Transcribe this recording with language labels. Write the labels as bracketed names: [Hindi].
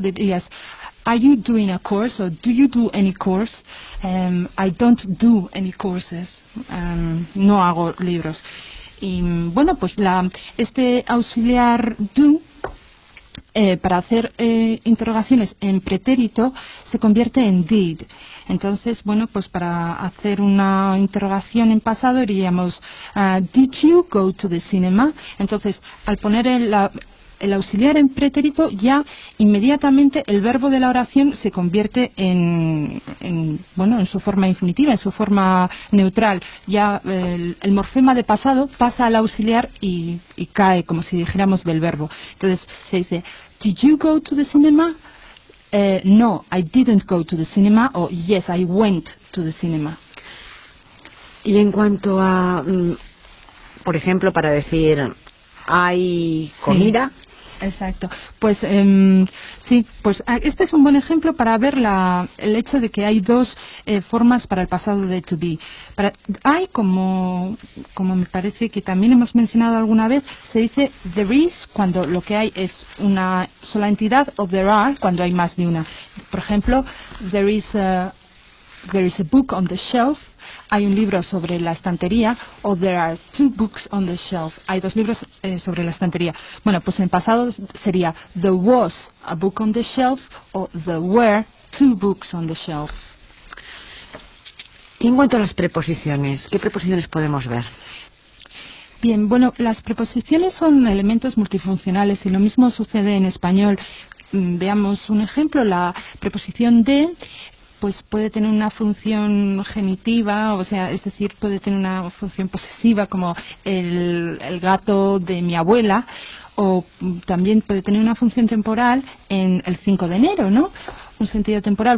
[Spanish] Dirías, [English] are you doing a course or do you do any course? I don't do any courses. [Spanish] No hago libros. Y bueno, pues este auxiliar do, para hacer interrogaciones en pretérito, se convierte en did. Entonces, bueno, pues para hacer una interrogación en pasado diríamos, [English] did you go to the cinema? [Spanish] Entonces, al poner el auxiliar en pretérito, ya inmediatamente el verbo de la oración se convierte en su forma infinitiva, en su forma neutral. Ya el morfema de pasado pasa al auxiliar y cae, como si dijéramos, del verbo. Entonces se dice, [English] did you go to the cinema? No, I didn't go to the cinema, o yes, I went to the cinema. [Spanish] Y en cuanto a, por ejemplo, para decir, ¿hay comida? Sí. Exacto. Pues sí, pues este es un buen ejemplo para ver el hecho de que hay dos formas para el pasado de to be. Hay, como me parece que también hemos mencionado alguna vez, se dice there is cuando lo que hay es una sola entidad, o there are cuando hay más de una. Por ejemplo, [English] there is a book on the shelf. [Spanish] Hay un libro sobre la estantería, o [English] there are two books on the shelf. [Spanish] Hay dos libros sobre la estantería. Bueno, pues en pasado sería [English] there was a book on the shelf, o there were two books on the shelf. [Spanish] Y en cuanto a las preposiciones, ¿qué preposiciones podemos ver? Bien, bueno, las preposiciones son elementos multifuncionales y lo mismo sucede en español. Veamos un ejemplo, la preposición de, pues puede tener una función genitiva, o sea, es decir, puede tener una función posesiva como el gato de mi abuela, o también puede tener una función temporal en el 5 de enero, ¿no? Un sentido temporal.